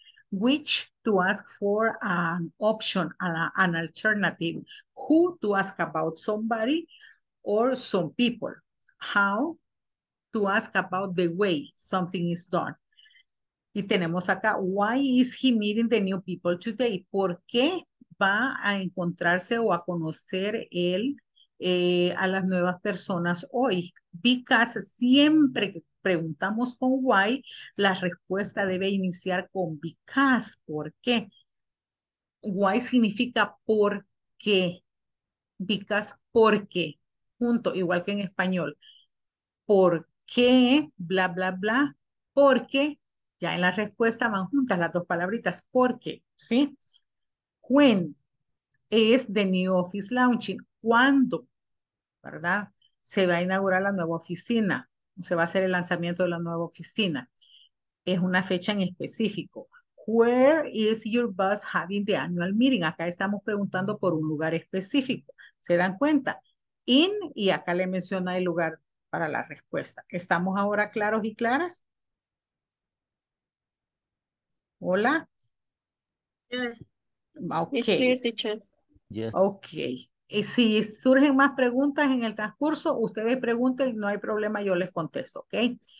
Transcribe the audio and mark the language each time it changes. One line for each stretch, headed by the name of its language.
English: which, to ask for an option, an alternative, who, to ask about somebody or some people, how, to ask about the way something is done.
Spanish: Y tenemos acá,
English: why is he meeting the new people today?
Spanish: ¿Por qué va a encontrarse o a conocer él a las nuevas personas hoy? Because siempre que preguntamos con why, la respuesta debe iniciar con because, ¿por qué? Why significa por qué. Because, ¿por qué? Junto, igual que en español. ¿Por qué? ¿Qué? Bla, bla, bla. Porque ya en la respuesta van juntas las dos palabritas. Porque, ¿sí?
English: When is the new office launching?
Spanish: ¿Cuándo? ¿Verdad? Se va a inaugurar la nueva oficina. Se va a hacer el lanzamiento de la nueva oficina. Es una fecha en específico.
English: Where is your boss having the annual meeting?
Spanish: Acá estamos preguntando por un lugar específico. ¿Se dan cuenta? In, y acá le menciona el lugar para la respuesta. ¿Estamos ahora claros y claras? ¿Hola?
English: Yes. Ok. Yes.
Spanish: Ok. Y si surgen más preguntas en el transcurso, ustedes pregunten, no hay problema, yo les contesto, ok.